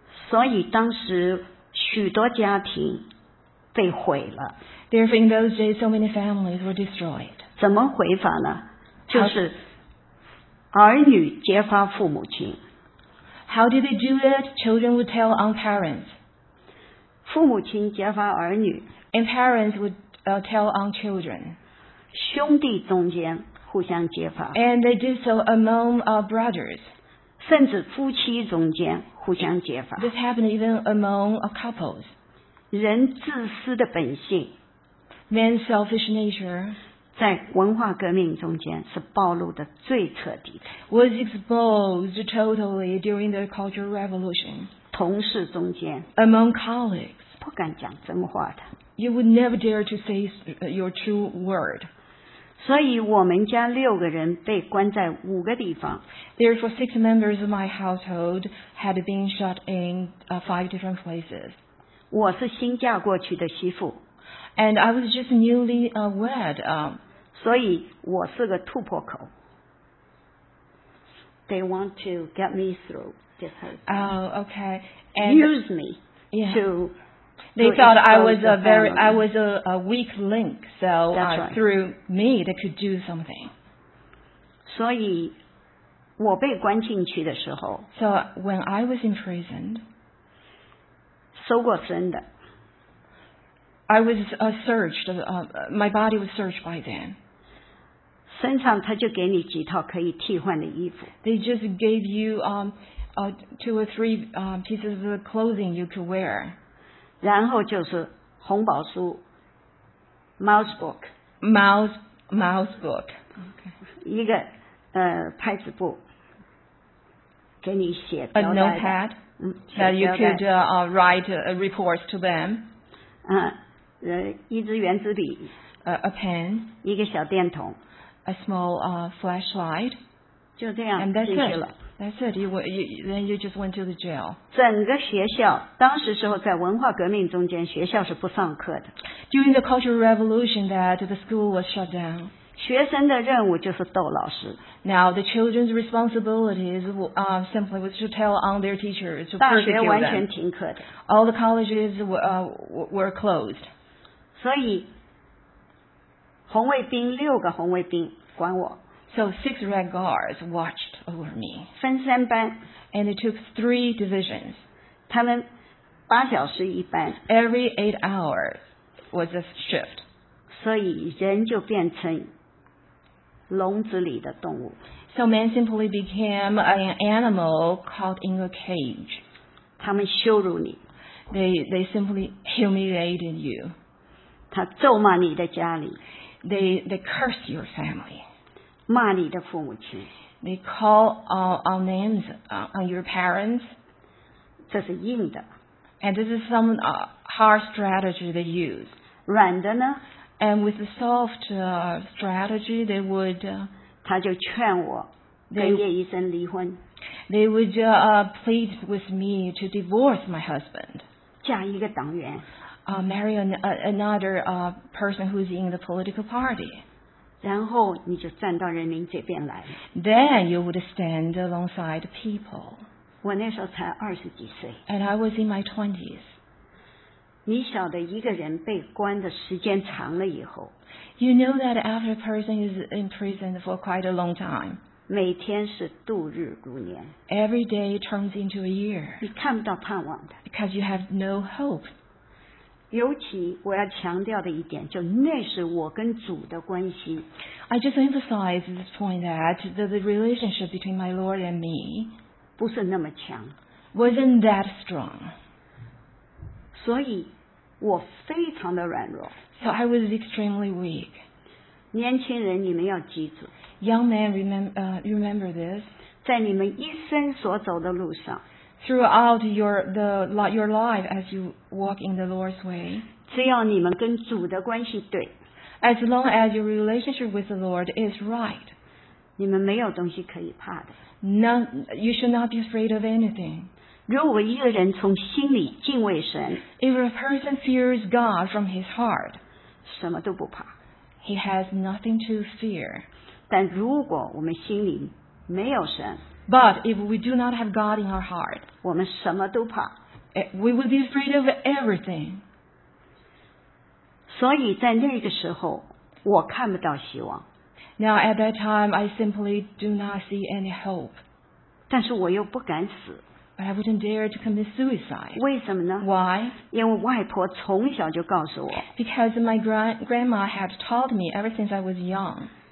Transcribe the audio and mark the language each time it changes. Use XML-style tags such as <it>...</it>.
<zh>所以当时许多家庭被毁了。</zh> <en>Therefore, in those days, so many families were destroyed.</en> <zh>怎么毁法呢？就是儿女揭发父母亲。</zh> <en>How did they do it? Children would tell on parents.</en> <zh>父母亲揭发儿女。</zh> <en>And parents would tell on children.</en> <zh>兄弟中间互相揭发。</zh> <en>And they did so among brothers.</en> <zh>甚至夫妻中间互相揭发。</zh> <en>This happened even among couples.</en> <zh>人自私的本性。</zh> <en>Man's selfish nature.</en> <zh>在文化革命中间是暴露的最彻底的。</zh> <en>Was exposed totally during the Cultural Revolution.</en> <zh>同事中间。</zh> <en>Among colleagues.</en> <zh>不敢讲真话的。</zh> <en>You would never dare to say your true word.</en> <zh>所以我们家六个人被关在五个地方。</zh> <en>Therefore, six members of my household had been shut in five different places.</en> <zh>我是新嫁过去的媳妇。</zh> <en>And I was just newly wed.</en> <zh>所以我是个突破口。</zh> <en>They want to get me through this house. Oh, okay. And use me yeah, to. They thought I was a very, I was a weak link. So right. Through me, they could do something.</en> <zh>所以我被关进去的时候。</zh> <en>So when I was imprisoned.</en> <zh>收过身的。</zh> <en>I was searched, my body was searched by them.</en> <zh>身上他就给你几套可以替换的衣服。</zh> <en>They just gave you two or three pieces of clothing you could wear.</en> <zh>然后就是红宝书 ,</zh> <en>mouse book. Mouse book.、 Okay.</en> <zh>一个拍子簿给你写</zh> <en>的。A notepad that you could write reports to them.、</en> <zh>一支圆珠笔</zh> <en>a pen,</en> <zh>一个小电筒</zh> <en>a small flashlight,</en> <zh>就这样</zh> <en>and that's it, then you just went to the jail.</en> <zh>整个学校当时时候在文化革命中间学校是不上课的。</zh> <en>During the Cultural Revolution that the school was shut down.</en> <zh>学生的任务就是逗老师。</zh> <en>Now the children's responsibility is simply was to tell on their teachers to persecute them.</en> <zh>大学完全停课的。</zh> <en>All the colleges were closed.</en> <zh>所以红卫兵六个红卫兵管我</zh> <en>So six red guards watched over me</en> <zh>分三班</zh> <en>And it took three divisions</en> <zh>他们八小时一班</zh> <en>Every 8 hours was a shift</en> <zh>所以人就变成笼子里的动物</zh> <en>So man simply became an animal caught in a cage</en> <zh>他们羞辱你</zh> <en>They simply humiliated you</en> <zh>他咒骂你的家里</zh> <en>they curse your family</en> <zh>骂你的父母亲</zh> <en>they call our names on your parents</en> <zh>这是硬的</zh> <en>and this is some hard strategy they use</en> <zh>软的呢</zh> <en>and with the soft strategy they would</en> <zh>他就劝我跟叶医生离婚</zh> <en>they would plead with me to divorce my husband</en> <zh>嫁一个党员</zh> <en>marry another person who is in the political party.</en> <zh>然后你就站到人民这边来。</zh> <en>Then you would stand alongside people.</en> <zh>我那时候才二十几岁。</zh> <en>And I was in my twenties.</en> <zh>你晓得一个人被关的时间长了以后。</zh> <en>You know that after a person is imprisoned for quite a long time.</en> <zh>每天是度日如年。</zh> <en>Every day turns into a year.</en> <zh>你看不到盼望的。</zh> <en>Because you have no hope.</en> <zh>尤其我要强调的一点，就那是我跟主的关系。</zh> <en>I just emphasize this point that the relationship between my Lord and me</en> <zh>不是那么强</zh> <en>wasn't that strong.</en> <zh>所以我非常的软弱</zh> <en>So I was extremely weak.</en> <zh>年轻人你们要记住</zh> <en>Young men, remember this.</en> <zh>在你们一生所走的路上</zh> <en>Throughout your life as you walk in the Lord's way.</en> <zh>只要你们跟主的关系对</zh> <en>As long as your relationship with the Lord is right.</en> <zh>你们没有东西可以怕的。</zh> <en>You should not be afraid of anything.</en> <zh>如果一个人从心里敬畏神</zh> <en>If a person fears God from his heart,</en> <zh>什么都不怕。</zh> <en>He has nothing to fear.</en> <zh>但如果我们心里没有神</zh> <en>But if we do not have God in our heart,</en> <zh>我们什么都怕。</zh> <en>We would be afraid of everything.</en> <zh>所以在那个时候我看不到希望。</zh> <en>Now at that time, I simply do not see any hope.</en> <zh>但是我又不敢死。</zh> <en>But I wouldn't dare to commit suicide.</en> <zh>为什么呢</zh> <en>？Why?</en> <zh>因为外婆从小就告诉我。</zh> <en>Because my grandma had taught me ever since I was young.</en>